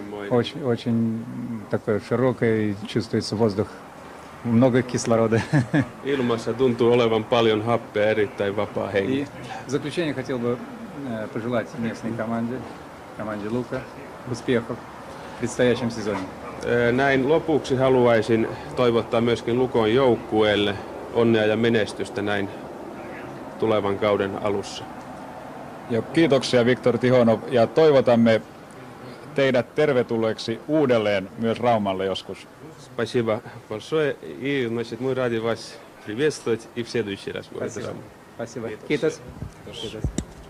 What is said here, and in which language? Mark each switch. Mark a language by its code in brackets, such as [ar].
[ru] Очень, очень такой широкий, чувствуется воздух, много кислорода. [fi] Ilmassa tuntuu olevan paljon happea, erittäin vapaa hengi. [ru] В заключение хотел бы пожелать местной команде, команде Лука, успехов в предстоящем сезоне. [fi] Näin lopuksi haluaisin toivottaa myöskin Lukon joukkueelle onnea ja menestystä näin tulevan kauden alussa. Joo, kiitoksia Viktor Tihonov, ja toivotamme teidät tervetulleeksi uudelleen myös Raumalle joskus. [ru] Спасибо большое. И, значит, мы рады вас приветствовать и в следующий раз. Спасибо. Спасибо. [fi] Kiitos. Kiitos.